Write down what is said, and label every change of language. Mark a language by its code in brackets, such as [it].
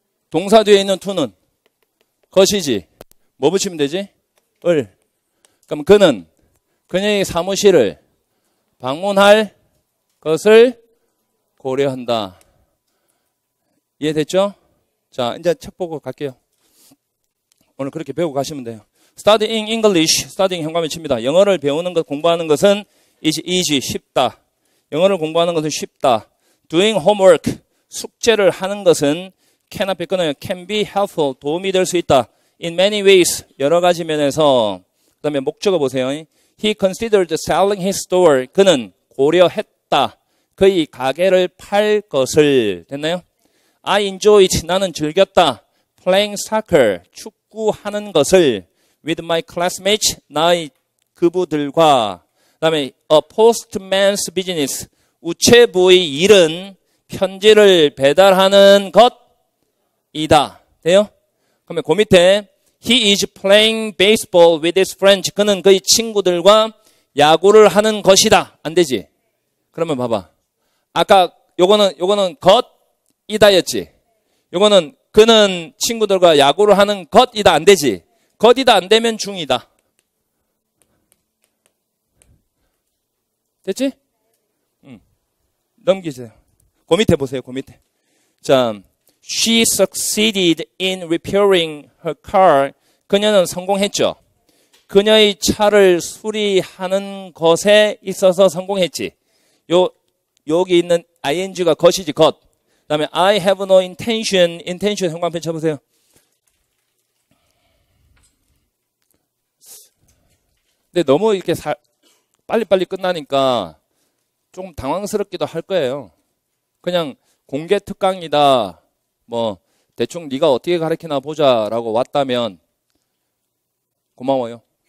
[ko] 동사 뒤에 있는 to는 것이지. 뭐 붙이면 되지? 을. 그럼 그는 그녀의 사무실을 방문할 것을 고려한다. 이해됐죠? 자, 이제 책 보고 갈게요. 오늘 그렇게 배우고 가시면 돼요. [en] Studying English, studying [ko] 현관에 칩니다. 영어를 배우는 것, 공부하는 것은 easy, 쉽다. 영어를 공부하는 것은 쉽다. [en] Doing homework, [ko] 숙제를 하는 것은 can 앞에 끊어요. [en] Can be helpful, [ko] 도움이 될수 있다. [en] In many ways, [ko] 여러 가지 면에서. 그 다음에 목적어 보세요. [en] He considered selling his store. [ko] 그는 고려했다. 그의 가게를 팔 것을. 됐나요? [en] I enjoyed, [ko] 나는 즐겼다. [en] Playing soccer, [ko] 축구하는 것을. With my classmates, 나의 그부들과. 그다음에 [en] a postman's business, [ko] 우체부의 일은 편지를 배달하는 것이다. 돼요? 그러면 그 밑에 [en] he is playing baseball with his friends. [ko] 그는 그의 친구들과 야구를 하는 것이다. 안 되지? 그러면 봐봐. 아까 요거는 것이다였지. 요거는 그는 친구들과 야구를 하는 것이다. 안 되지? 것이다 안 되면 중이다. 됐지? 넘기세요. 그 밑에 보세요. 그 밑에. [en] 자, she succeeded in repairing her car. [ko] 그녀는 성공했죠. 그녀의 차를 수리하는 것에 있어서 성공했지. 여기 있는 ing가 것이지, 것. 그 다음에 [en] I have no intention. [ko] intention 형광펜 쳐보세요. 근데 너무 이렇게 빨리빨리 끝나니까 조금 당황스럽기도 할 거예요. 그냥 공개 특강이다. 뭐 대충 네가 어떻게 가르치나 보자라고 왔다면 고마워요.